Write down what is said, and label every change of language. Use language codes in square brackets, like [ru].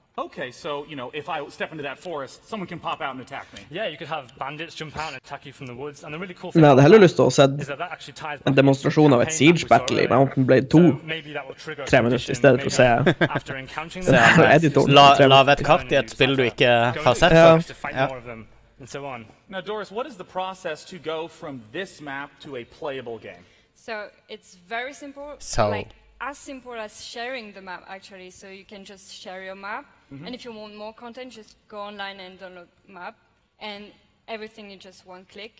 [en] Okay, so, you know, if I step into that forest, someone can pop out and attack me. Yeah, you could have bandits jump out and attack you from the woods, and the really cool thing about that is that that actually ties back to a demonstration of a siege battle in Mountain Blade 2. Maybe that will trigger a tradition, maybe after encountering the editor. [no] Lav et kart i et spill du ikke har sett før. [en] Now, Doris, what is the process to go from this map to a playable game? So, it's very simple. So. As simple as sharing the map, actually, so you can just share your map, mm-hmm. and if you want more content, just go online and download map, and everything is just one click.